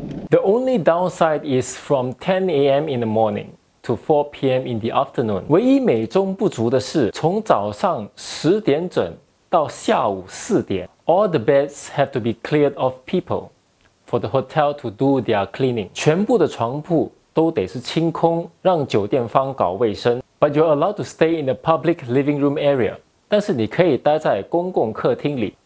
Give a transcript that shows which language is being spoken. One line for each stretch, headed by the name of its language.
English: The only downside is from 10 a.m. in the morning to 4 p.m. in the afternoon.
Chinese: 唯一美中不足的是从早上十点整到下午四点。
English: All the beds have to be cleared of people for the hotel to do their cleaning.
Chinese: 全部的床铺都得是清空让酒店方搞卫生。
English: But you're allowed to stay in the public living room area.
Chinese: 但是你可以待在公共客厅里。